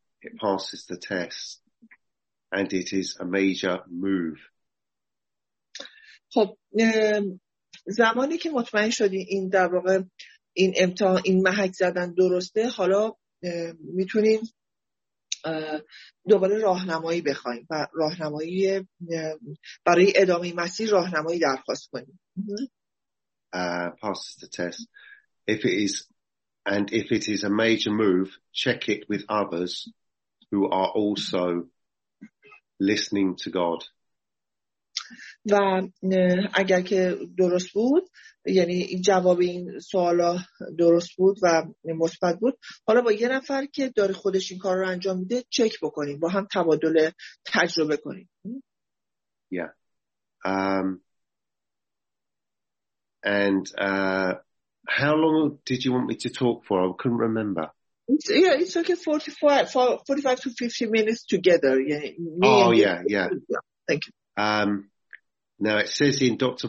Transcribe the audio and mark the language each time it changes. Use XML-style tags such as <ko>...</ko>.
<en>it passes the test, and it is a major move.</en> <fa>خب زمانی که مطمئن شدی این در واقع این امتحان این محک زدن درسته، حالا میتونیم دوباره راهنمایی بخوایم و راهنمایی برای ادامه مسیر راهنمایی درخواست کنیم.</fa> <en>Passes the test. If it is a major move, check it with others who are also listening to God.</en> <fa>و اگر که درست بود، یعنی جواب این سوالا درست بود و مثبت بود، حالا با یه نفر که داره خودش این کار رو انجام میده چک بکنیم، با هم تبادل تجربه کنیم.</fa> <en>Yeah. And how long did you want me to talk for? I couldn't remember. It's okay, 45 to 50 minutes together. Thank you. Now it says in Dr.</en>